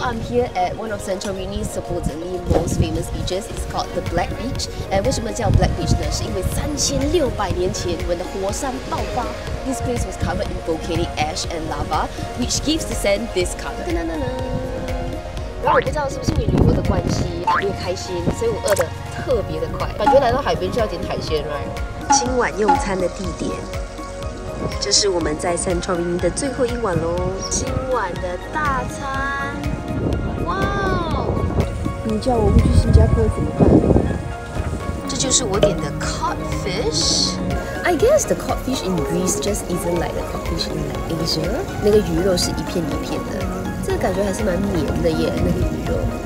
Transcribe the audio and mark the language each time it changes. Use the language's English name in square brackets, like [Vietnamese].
[English] I'm here at one of Santorini's supposedly most famous beaches. It's called the Black Beach. And [Chinese] 为什么叫 [English] Black Beach [Chinese] 呢？是因为3600年前 [English] when the [Chinese] 火山爆发 [English] this place was covered in volcanic ash and lava, which gives the sand this color. 噔噔噔噔。 [Chinese] 然后我不知道是不是你旅游的关系，越开心，所以我饿得特别的快。感觉来到海边就要点海鲜 ，right？今晚用餐的地点。这是我们在 Santorini 的最后一晚咯，今晚的大餐，哇哦！你叫我不去新加坡怎么办？这就是我点的 cod fish。 [English] I guess the cod fish in Greece just isn't like the cod fish in like Asia。 [Chinese] 那个鱼肉是一片一片的，这个感觉还是蛮黏的耶，那个鱼肉。